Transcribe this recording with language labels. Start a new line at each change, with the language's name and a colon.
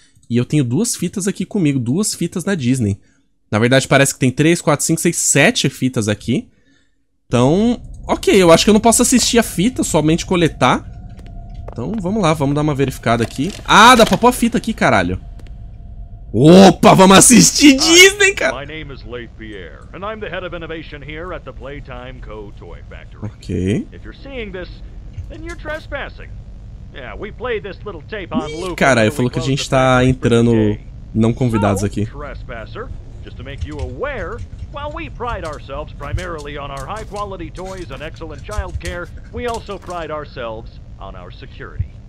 Portuguese: E eu tenho duas fitas aqui comigo. Duas fitas da Disney. Na verdade, parece que tem 3, 4, 5, 6, 7 fitas aqui. Então, ok. Eu acho que eu não posso assistir a fita, somente coletar. Então, vamos lá. Vamos dar uma verificada aqui. Ah, dá pra pôr a fita aqui, caralho. Opa, vamos assistir Disney, cara!
English: My name is Leif Pierre, and I'm the head of innovation here at the Playtime Co. Toy Factory. Ok. If you're seeing this, then you're trespassing. Yeah, we play this little tape on loop.
Portuguese: Cara, ele falou que a gente tá entrando não convidados aqui.
English: Trespasser, just to make you aware, while we pride ourselves primarily on our high quality toys and excellent child care, we also pride ourselves on our security.